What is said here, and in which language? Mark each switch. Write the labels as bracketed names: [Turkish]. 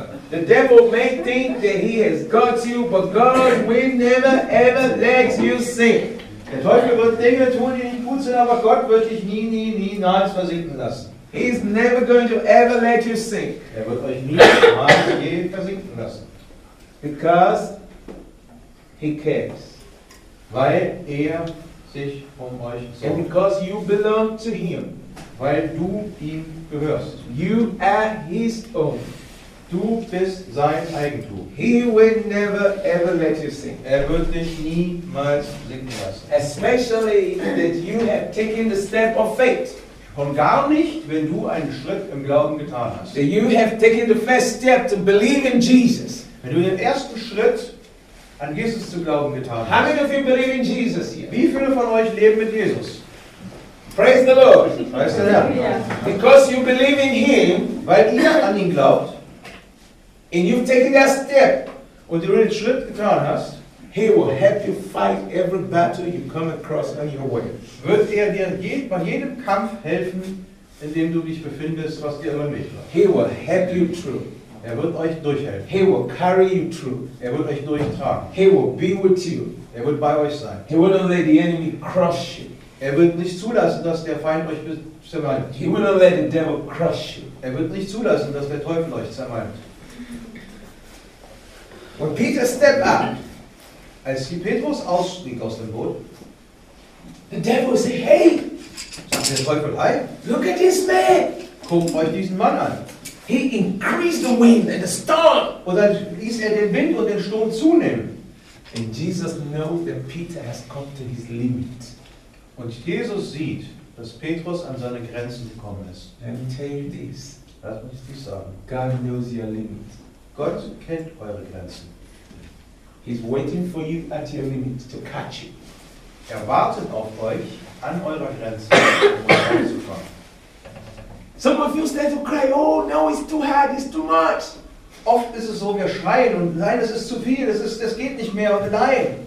[English] The devil may think that he has got you, but God will never ever let you sink. [German] Der Teufel wird Dinge tun, die nicht gut sind, aber Gott wird dich niemals versinken lassen. [English] He's never going to ever let you sink. [German] Er wird euch niemals je versinken lassen. [English] Because he cares. [German] Weil er sich um euch sorgt. [English] And because you belong to him. [German] Weil du ihm gehörst. [English] You are his own. [German] Du bist sein Eigentum. [English] He will never ever let you sink. [German] Er wird dich niemals sinken lassen. [English] Especially that you have taken the step of faith. [German] Und gar nicht, wenn du einen Schritt im Glauben getan hast. [English] That you have taken the first step to believe in Jesus. [German] Wenn du den ersten Schritt an Jesus zu glauben getan hast. [English] How many of you believe in Jesus here? [German] Wie viele von euch leben mit Jesus? [English] Praise the Lord. Praise the Lord. Because you believe in Him. [German] Weil ihr an ihn glaubt. [English] And you've taken that step. [German] Und du den Schritt getan hast, [English] He will help you fight every battle you come across on your way. [German] Wird er dir bei jedem Kampf helfen, in dem du dich befindest, was dir immer nicht war. [English] He will help you through. [German] Er wird euch durchhelfen. [English] He will carry you through. [German] Er wird euch durchtragen. [English] He will be with you. [German] Er wird bei euch sein. [English] He will not let the enemy crush you. [German] Er wird nicht zulassen, dass der Feind euch zermalmt. [English] He will not let the devil crush you. [German] Er wird nicht zulassen, dass der Teufel euch zermalmt. [English] When Peter stepped out, [German] als Petrus ausstieg aus dem Boot, [English] the devil said, "Hey, [German] der Teufel, hey, [English] look at this man. [German] Guckt euch diesen Mann an. [English] He increased the wind and the storm. [German] Und dann ließ er den Wind und den Sturm zunehmen. [English] And Jesus knows that Peter has come to his limit. [German] Und Jesus sieht, dass Petrus an seine Grenzen gekommen ist. [English] Let me tell you this. [German] Lass mich dir sagen. [English] God knows your limit. [German] Gott kennt eure Grenzen. [English] He's waiting for you at your limit to catch you. [German] Er wartet auf euch an eurer Grenze, um euch anzufangen. [English] Some of you start to cry, oh no, it's too hard, it's too much. [German] Oft ist es so, wir schreien und nein, es ist zu viel, es geht nicht mehr und nein.